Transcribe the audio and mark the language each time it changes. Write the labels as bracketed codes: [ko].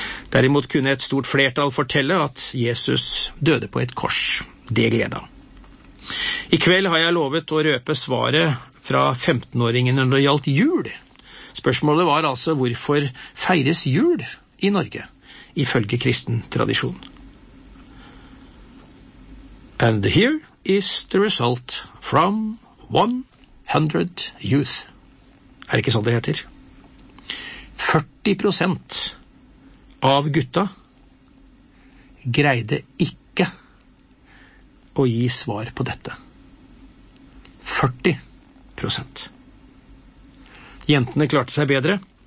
[no] Derimot kunne et stort flertall fortelle at Jesus døde på et kors. Det gleda. I kveld har jeg lovet å røpe svaret fra 15-åringene når det gjaldt jul. Spørsmålet var altså hvorfor feires jul I Norge, ifølge kristen tradisjon. [en] And here is the result from 100 youth. [no] Det ikke sånn det heter? 40% av gutta greide ikke å gi svar på dette. 40%. Jentene klarte seg bedre,